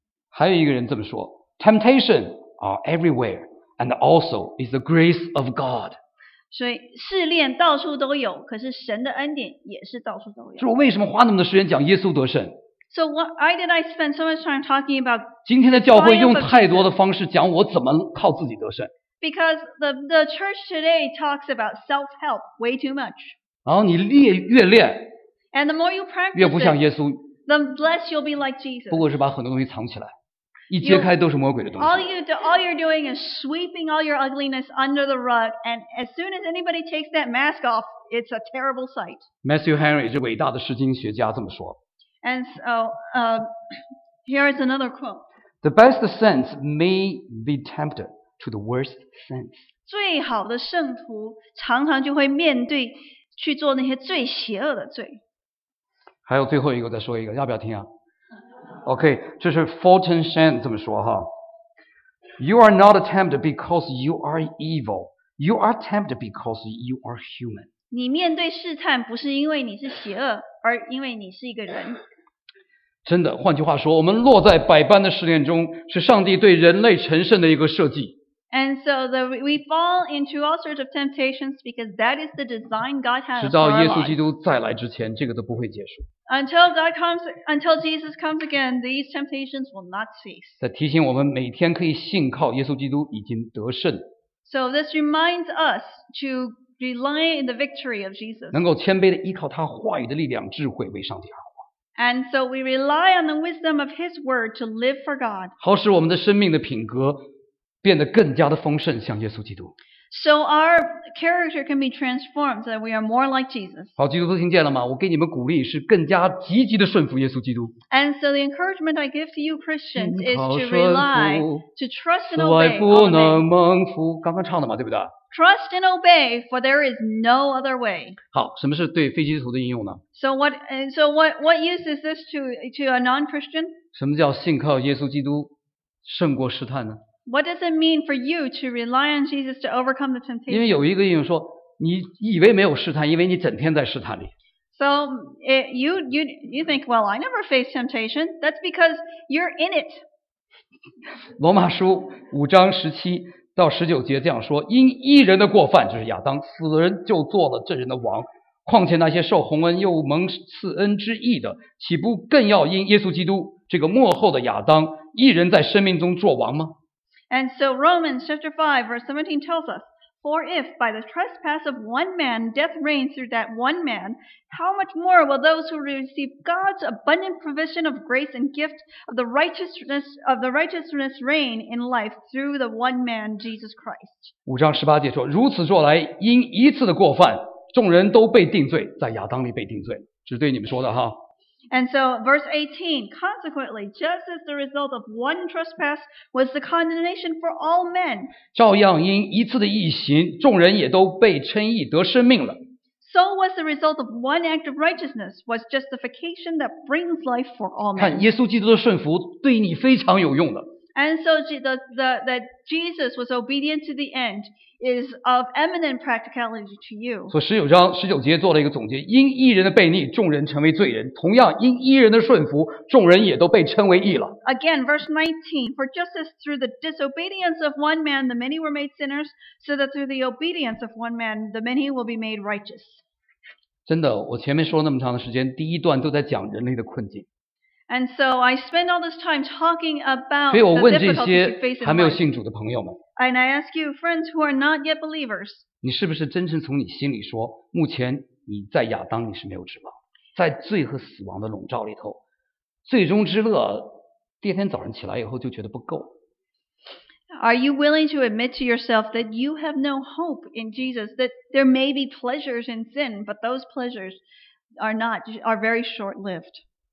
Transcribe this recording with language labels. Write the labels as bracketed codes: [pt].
[zh] 还有一个人这么说， [en] Temptation are everywhere, and also is the grace of God. [zh] 所以试炼到处都有，可是神的恩典也是到处都有。所以我为什么花那么多时间讲耶稣得胜？ [en] So why did I spend so much time talking about? [zh] 今天的教会用太多的方式讲我怎么靠自己得胜。 [en] Because the church today talks about self-help way too much. [zh] 然后你越练， [en] and the more you practice, [zh] 越不像耶稣， [en] the less you'll be like Jesus. [zh] 不过是把很多东西藏起来。一揭开都是魔鬼的东西。 [en] All you're doing is sweeping all your ugliness under the rug, and as soon as anybody takes that mask off, it's a terrible sight. [zh] Matthew Henry, 这伟大的释经学家这么说。 [en] And so, here is another quote. The best saints may be tempted to the worst sins. [zh] 最好的圣徒常常就会面对去做那些最邪恶的罪。还有最后一个，再说一个，要不要听啊？ OK, 这是 Fulton Sheen 这么说哈。 [en] You are not tempted because you are evil. You are tempted because you are human. [zh] 你面对试探不是因为你是邪恶，而因为你是一个人。真的，换句话说，我们落在百般的试炼中，是上帝对人类成圣的一个设计。 [en] And so we fall into all sorts of temptations because that is the design God has for us. [zh] 直到耶稣基督再来之前，这个都不会结束。 [en] Until Jesus comes again, these temptations will not cease. [zh] 在提醒我们每天可以信靠耶稣基督已经得胜。 [en] So this reminds us to rely in the victory of Jesus. [zh] 能够谦卑的依靠他话语的力量、智慧为上帝而活。 [en] And so we rely on the wisdom of His word to live for God. [zh] 好使我们的生命的品格。变得更加的丰盛，像耶稣基督。 [en] So our character can be transformed so that we are more like Jesus. [zh] 好，基督徒听见了吗？我给你们鼓励是更加积极的顺服耶稣基督。 [en] And so the encouragement I give to you Christians is to rely, to trust and obey. [zh] 死外不能蒙福，刚刚唱的嘛，对不对？ [en] Trust and obey, for there is no other way. [zh] 好，什么是对非基督徒的应用呢？ [en] So what use is this to a non-Christian? [zh] 什么叫信靠耶稣基督胜过试探呢？ [en] What does it mean for you to rely on Jesus to overcome the temptation? [zh] 因为有一个应用说，你以为没有试探，因为你整天在试探里。 [en] So you think, well, I never face temptation. That's because you're in it. [zh] 罗马书五章十七到十九节这样说，因一人的过犯，就是亚当，死人就做了这人的王，况且那些受鸿恩又蒙赐恩之义的，岂不更要因耶稣基督这个末后的亚当一人在生命中做王吗？ [en] And so Romans chapter 5 verse 17 tells us, for if by the trespass of one man death reigns through that one man, how much more will those who receive God's abundant provision of grace and gift of the righteousness reign in life through the one man, Jesus Christ. [zh] 五章十八节说，如此若来，因一次的过犯，众人都被定罪，在亚当里被定罪，只对你们说的哈。 [en] And so verse 18, consequently, just as the result of one trespass was the condemnation for all men, [zh] 照样因一次的义行，众人也都被称义得生命了。 [en] So was the result of one act of righteousness was justification that brings life for all men. [zh] 看耶稣基督的顺服对你非常有用的。 [en] And so that Jesus was obedient to the end is of eminent practicality to you. [zh] 所以十九章十九节做了一个总结，因义人的悖逆，众人成为罪人；同样，因义人的顺服，众人也都被称为义了。 [en] Again, verse 19, for just as through the disobedience of one man, the many were made sinners, so that through the obedience of one man, the many will be made righteous. [zh] 真的，我前面说了那么长的时间，第一段都在讲人类的困境。 [en] And so I spend all this time talking about the difficulties you face in life. [zh] 还没有信主的朋友们。 [en] And I ask you, friends who are not yet believers. [zh] 你是不是真诚从你心里说，目前你在亚当你是没有指望，在罪和死亡的笼罩里头，最终之乐，第二天早上起来以后就觉得不够。 [en] Are you willing to admit to yourself that you have no hope in Jesus, that there may be pleasures in sin, but those pleasures are very short-lived?